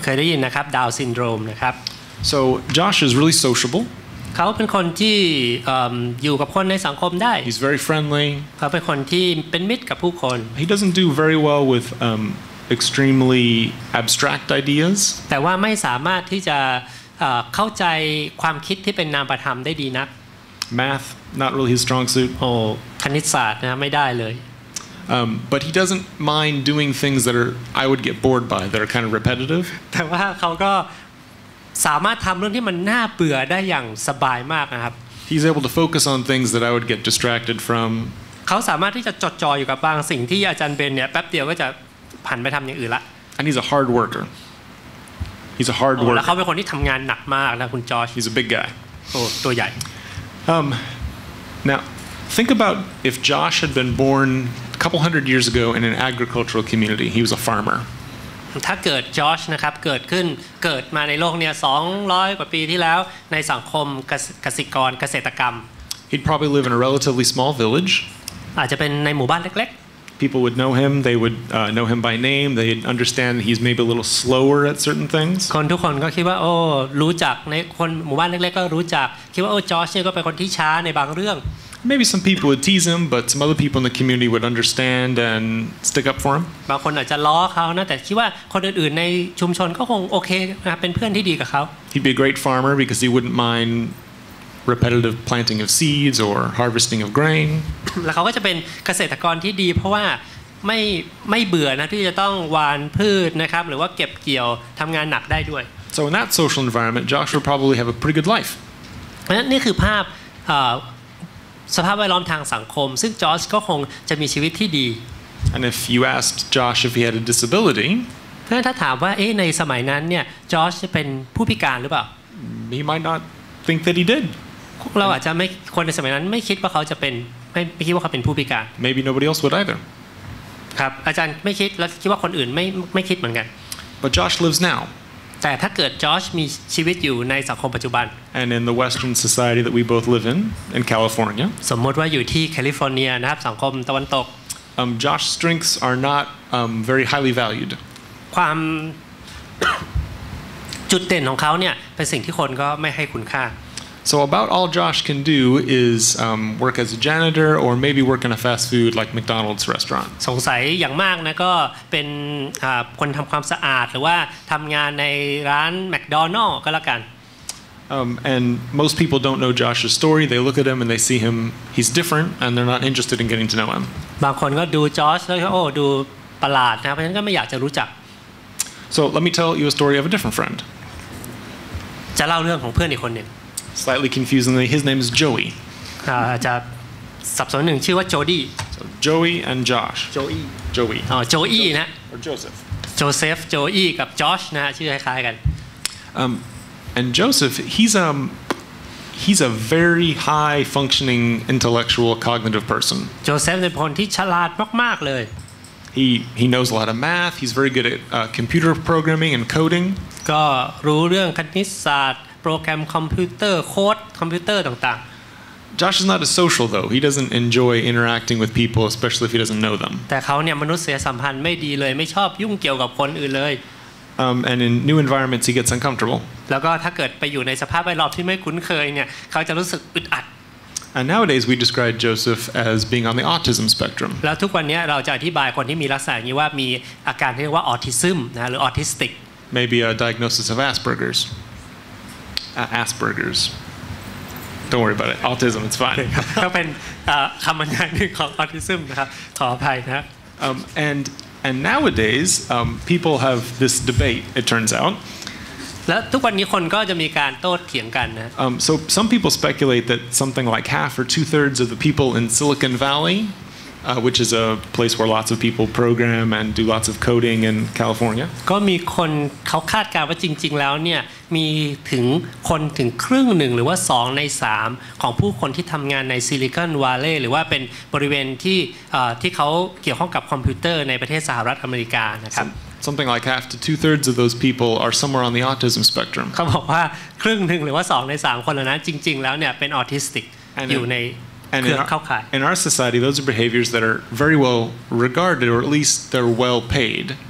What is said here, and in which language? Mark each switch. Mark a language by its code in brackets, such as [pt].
[th] เคยได้ยินนะครับ Down syndrome นะครับ [en] So Josh is really sociable. [th] เขาเป็นคนที่อยู่กับคนในสังคมได้ [en] He's very friendly. [th] เขาเป็นคนที่เป็นมิตรกับผู้คน [en] He doesn't do very well with extremely abstract ideas. [th] แต่ว่าไม่สามารถที่จะเข้าใจความคิดที่เป็นนามธรรมได้ดีนัก [en] Math not really his strong suit. [th] คณิตศาสตร์นะไม่ได้เลย [en] But he doesn't mind doing things that are I would get bored by that are kind of repetitive. [th] แต่ว่าเขาก็สามารถทำเรื่องที่มันน่าเบื่อได้อย่างสบายมากนะครับ [en] He's able to focus on things that I would get distracted from [th] เขาสามารถที่จะจดจ่ออยู่กับบางสิ่งที่อาจารย์เบนเนี่ยแป๊บเดียวก็จะผันไปทำอย่างอื่นละ [en] And he's a hard worker He's a hard worker [th] แล้วเขาเป็นคนที่ทำงานหนักมากนะคุณจอช [en] He's a big guy [th] ตัวใหญ่ [en] Now think about if Josh had been born a couple hundred years ago in an agricultural community he was a farmer [th] ถ้าเกิดจอชนะครับเกิดขึ้นเกิดมาในโลกเนี่ย200กว่าปีที่แล้วในสังคมเกษตรกรเกษตรกรรม [en] He'd probably live in a relatively small village [th] อาจจะเป็นในหมู่บ้านเล็ก [en] ๆ People would know him they would know him by name they'd understand he's maybe a little slower at certain things [th] คนทุกคนก็คิดว่าโอ้รู้จักในคนหมู่บ้านเล็กๆก็รู้จักคิดว่าโอ้จอชเนี่ยก็เป็นคนที่ช้าในบางเรื่อง [en] Maybe some people would tease him but some other people in the community would understand and stick up for him [th] บางคนอาจจะล้อเขานะแต่คิดว่าคนอื่นๆในชุมชนก็คงโอเคนะเป็นเพื่อนที่ดีกับเขา [en] He'd be a great farmer because he wouldn't mind repetitive planting of seeds or harvesting of grain [th] แล้วเขาก็จะเป็นเกษตรกรที่ดีเพราะว่าไม่เบื่อนะที่จะต้องหว่านพืชนะครับหรือว่าเก็บเกี่ยวทำงานหนักได้ด้วย [en] So in that social environment Josh would probably have a pretty good life [th] นี่คือภาพสภาพแวดล้อมทางสังคมซึ่งจอชก็คงจะมีชีวิตที่ดี [en] And if you asked Josh if he had a disability [th] ถ้าถามว่าเอ๊ะในสมัยนั้นเนี่ยจอชจะเป็นผู้พิการหรือเปล่า [en] He might not think that he did [th] เราอาจจะไม่คนในสมัยนั้นไม่คิดว่าเขาจะเป็นไม่คิดว่าเขาเป็นผู้พิการ [en] Maybe nobody else would either [th] ครับอาจารย์ไม่คิดแล้วคิดว่าคนอื่นไม่คิดเหมือนกัน [en] But Josh lives now [th] แต่ถ้าเกิดจอชมีชีวิตอยู่ในสังคมปัจจุบัน [en] And in the Western society that we both live in California [th] สมมติว่าอยู่ที่แคลิฟอร์เนียนะครับสังคมตะวันตก [en] Josh's strengths are not very highly valued [th] ความ จุดเด่นของเขาเนี่ยเป็นสิ่งที่คนก็ไม่ให้คุณค่า [en] So about all Josh can do is work as a janitor or maybe work in a fast food like McDonald's restaurant [th] สงสัยอย่างมากนะก็เป็นคนทำความสะอาดหรือว่าทำงานในร้าน McDonald's ก็แล้วกัน [en] And most people don't know Josh's story they look at him and they see him he's different and they're not interested in getting to know him [th] บางคนก็ดูจอชแล้วก็โอ้ดูประหลาดนะเพราะฉะนั้นก็ไม่อยากจะรู้จัก [en] So let me tell you a story of a different friend [th] จะเล่าเรื่องของเพื่อนอีกคนนึง [en] slightly confusingly his name is Joey [th] จะสับสนหนึ่งชื่อว่าโจดี [en] so Joey and Josh Joey [th] อ๋อโ จอี้นะ [en] or Joseph [th] Joseph Joey กับ Josh นะชื่อคล้ายๆกัน [en] and Joseph he's a very high functioning intellectual cognitive person [th] Joseph เป็นคนที่ฉลาดมากๆเลย [en] he knows a lot of math he's very good at computer programming and coding [th] ก็รู้เรื่องคณิตศาสตร์โปรแกรมคอมพิวเตอร์โค้ดคอมพิวเตอร์ต่าง [en] ๆ Josh is not a social though. He doesn't enjoy interacting with people especially if he doesn't know them. [th] แต่เขาเนี่ยมนุษยสัมพันธ์ไม่ดีเลยไม่ชอบยุ่งเกี่ยวกับคนอื่นเลย [en] And in new environments he gets uncomfortable. [th] แล้วก็ถ้าเกิดไปอยู่ในสภาพแวดล้อมที่ไม่คุ้นเคยเนี่ยเขาจะรู้สึกอึดอัด [en] And nowadays we describe Joseph as being on the autism spectrum. [th] แล้วทุกวันนี้เราจะอธิบายคนที่มีลักษณะอย่างนี้ว่ามีอาการที่เรียกว่าออทิซึมนะหรือออทิสติก [en] Maybe a diagnosis of Asperger's. Asperger's. Don't worry about it. Autism, it's fine. [th] ก็เป็นคำบรรยายหนึ่งของออทิซึมนะครับขออภัยนะ [en] And nowadays people have this debate, it turns out. [th] แล้วทุกวันนี้คนก็จะมีการโต้เถียงกันนะ [en] So some people speculate that something like half or two thirds of the people in Silicon Valley, which is a place where lots of people program and do lots of coding in California. [th] ก็มีคนเขาคาดการณ์ว่าจริงๆแล้วเนี่ยมีถึงคนถึงครึ่งหนึ่งหรือว่า2ใน3ของผู้คนที่ทำงานในซิลิคอนวาเลย์หรือว่าเป็นบริเวณที่ที่เขาเกี่ยวข้องกับคอมพิวเตอร์ในประเทศสหรัฐอเมริกานะครับ [en] Something like half to two thirds of those people are somewhere on the autism spectrum. [th] เขาบอกว่าครึ่งหนึ่งหรือว่าสองในสามคนนั้นจริงๆแล้วเนี่ยเป็นออทิสติกอยู่ในเข้าข่าย [en] In our society, those are behaviors that are very well regarded, or at least they're well paid.